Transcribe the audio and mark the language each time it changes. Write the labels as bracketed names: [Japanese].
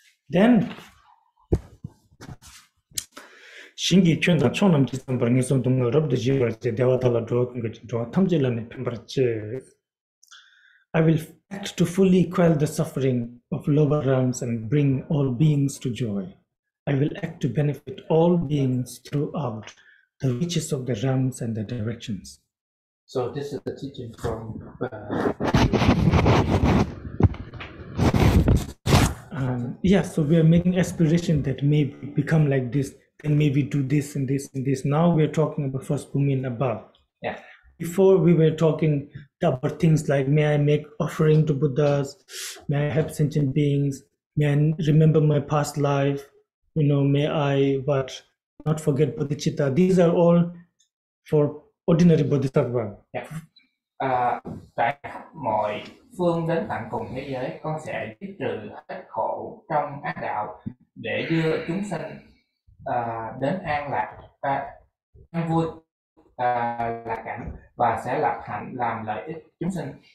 [English] Then, Shingi chuyên đã cho nam chỉ tâm bằng những sốn đồng ngọc được giữ vào chế đeo thà là đồ cũng cái đồ tham chế là nên phải bật chế. I will act to fully quell the suffering of lower realms and bring all beings to joy. I will act to benefit all beings throughout the reaches of the realms and the directions. So this is the teaching from um, yeah, so we are making aspiration that may become like this, then maybe do this and this and this. Now we are talking about first bhumi and above. Yeah. Before we were talking about things like, may I make offering to Buddhas, may I help sentient beings, may I remember my past life, you know, may I what, not forget bodhicitta. These are all for ordinary bodhisattva. Yeah. [Vietnamese] Tại mọi phương đến tận cùng thế giới, con sẽ giết trừ hết khổ trong ác đạo để đưa chúng sinh đến an lạc và an vui lạc cảnh, và sẽ lập hạnh làm lợi ích chúng sinh.